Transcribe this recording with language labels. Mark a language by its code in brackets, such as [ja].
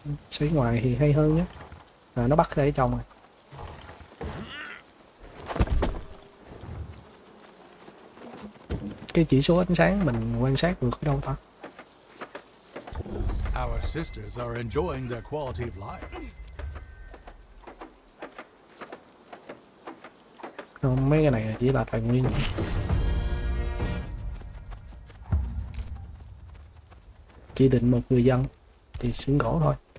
[vi] Xây ngoài thì hay hơn nhé. À, nó bắt đây ở trong rồi. Cái chỉ số ánh sáng mình quan sát được ở đâu ta? [en] Our sisters are enjoying their quality of life. [vi] Không, mấy cái này chỉ là tài nguyên. Chỉ định một người dân thì xuống gỗ thôi.